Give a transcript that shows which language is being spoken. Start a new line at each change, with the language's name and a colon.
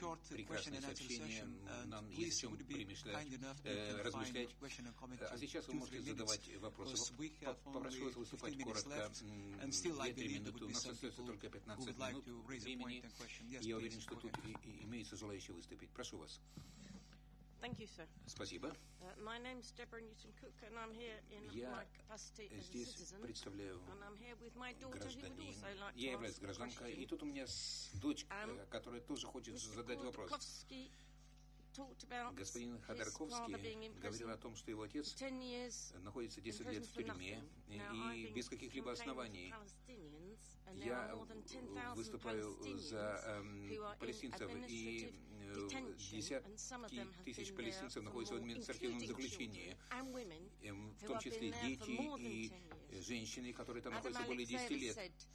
Russian: Прекрасное сообщение. Нам есть о чем размышлять. А сейчас вы можете задавать вопросы. Попрошу вас выступать коротко. 2-3 минуты. У нас остается только 15 минут времени. Я уверен, что тут имеются желающие выступить. Прошу вас.
English: Thank you, sir.
Russian: Спасибо.
English: My name is Deborah Newton-Cook, and I'm here in my capacity as a citizen. And I'm here with my daughter, who would also like to ask a question.
Russian: Гражданкой, и тут у меня дочка, которая тоже хочет задать вопрос. Господин Ходорковский говорил о том, что его отец находится 10 лет в тюрьме и без каких-либо оснований. Я выступаю за палестинцев, и десятки тысяч палестинцев находятся в административном заключении, в том числе дети и женщины, которые там находятся более 10 лет.